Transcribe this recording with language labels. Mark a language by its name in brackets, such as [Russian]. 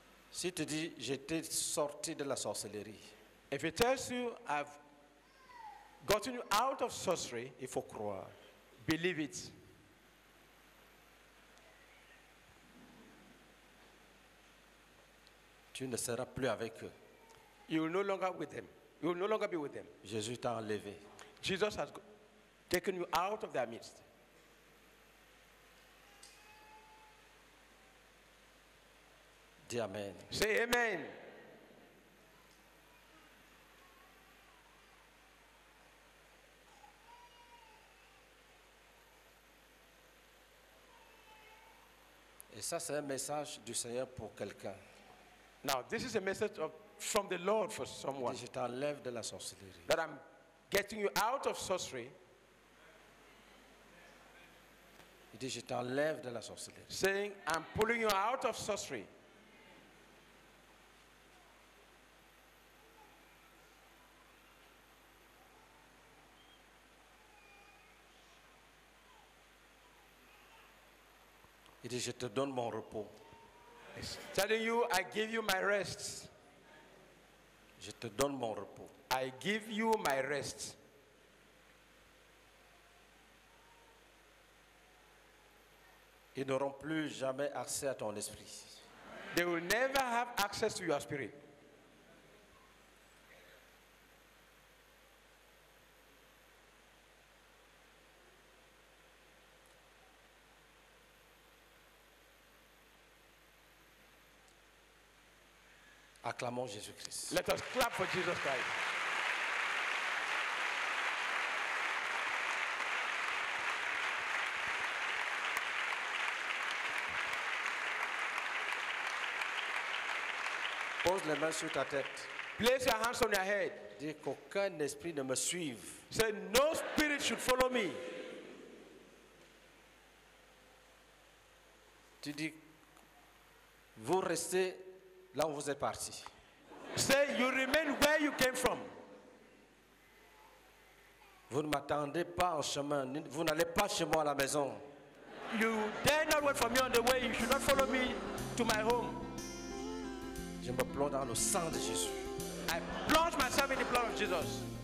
[French] S'il te dit, j'étais sorti de la sorcellerie. [English] If he tells you, I've gotten you out of sorcery, [French] il faut croire. [English] Believe it. [French] Tu ne seras plus avec eux. [English] You will no longer with them. You will no longer be with them. [French] Jésus t'a enlevé. [English] Jesus has taken you out of their midst. [French] Dis amen. [English] Say amen. [French] Et ça, c'est un message du Seigneur pour quelqu'un. [English] Now, this is a message of, from the Lord for someone. [French] Je t'enlève de la sorcellerie. [English] That I'm getting you out of sorcery. [French] Il dit, je t'enlève de la sorcellerie. [English] Saying, I'm pulling you out of sorcery. [French] Il dit, je te donne mon repos. [English] He's telling you, I give you my rest. [French] Je te donne mon repos. [English] I give you my rest. [French] Ils n'auront plus jamais accès à ton esprit. [English] They will never have access to your spirit. [French] Acclamons Jésus-Christ. [English] Let us clap for Jesus Christ. [French] Pose les mains sur ta tête. [English] Place your hands on your head. [French] Dis qu'aucun esprit ne me suive. [English] Say, no spirit should follow me. [French] Tu dis, vous restez là où vous êtes parti. [English] Say, you remain where you came from. [French] Vous ne m'attendez pas en chemin. Vous n'allez pas chez moi à la maison. [English] You dare not wait for me on the way. You should not follow me to my home. [French] Je me plonge dans le sang de Jésus. [English] I plunge myself in the blood of Jesus.